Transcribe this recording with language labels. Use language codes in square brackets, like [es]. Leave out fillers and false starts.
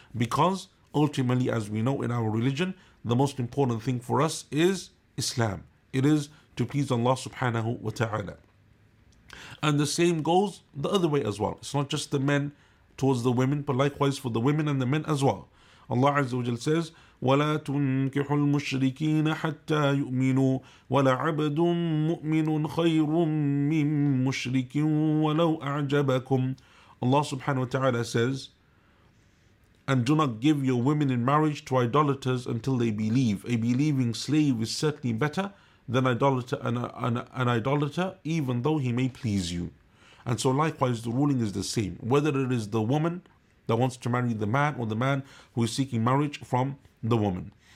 [en] Because ultimately, as we know in our religion, the most important thing for us is Islam. It is to please Allah subhanahu wa ta'ala. And the same goes the other way as well. It's not just the men towards the women, but likewise for the women and the men as well. Allah Azza wa Jalla says, [ar] وَلَا تُنْكِحُ الْمُشْرِكِينَ حَتَّى يُؤْمِنُوا وَلَا عَبَدٌ مُؤْمِنٌ خَيْرٌ مِّن مُشْرِكٍ وَلَوْ أَعْجَبَكُمْ. [en] Allah subhanahu wa ta'ala says, and do not give your women in marriage to idolaters until they believe. A believing slave is certainly better than an idolater, even though he may please you. And so likewise, the ruling is the same. Whether it is the woman that wants to marry the man, or the man who is seeking marriage from the woman.